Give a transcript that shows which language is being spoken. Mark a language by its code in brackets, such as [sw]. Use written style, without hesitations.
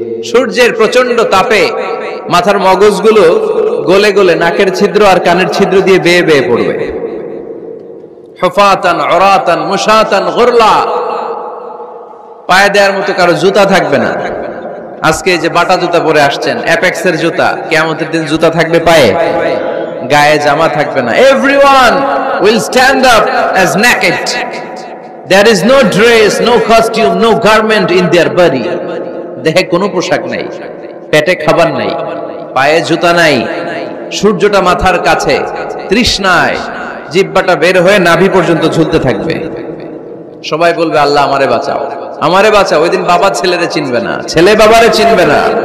[bn] সূর্যের প্রচন্ড তাপে মাথার মগজগুলো গলে গলে নাকের ছিদ্র আর কানের ছিদ্র দিয়ে বেয়ে বেয়ে পড়বে। [ar] হুফাতান উরাতান মুশাতান গুরলা, [bn] পায়ে দেওয়ার মতো কারো জুতা থাকবে না। আজকে যে বাটা জুতা পরে আসছেন, অ্যাপেক্স এর জুতা, কিয়ামতের দিন জুতা থাকবে পায়ে, গায়ে জামা থাকবে না। [en] Everyone will stand up as naked. There is no dress, no costume, no garment in their body. [bn] দেহে কোনো পোশাক নাই, পেটে খাবার নাই, পায়ে জুতা নাই, সূর্যটা মাথার কাছে, তৃষ্ণায় জিহ্বাটা বের হয়ে নাভি পর্যন্ত ঝুলতে থাকবে। সবাই বলবে আল্লাহ আমারে বাঁচাও, আমারে বাঁচাও। ওইদিন বাবা ছেলেরে চিনবে না, ছেলে বাবারে চিনবে না।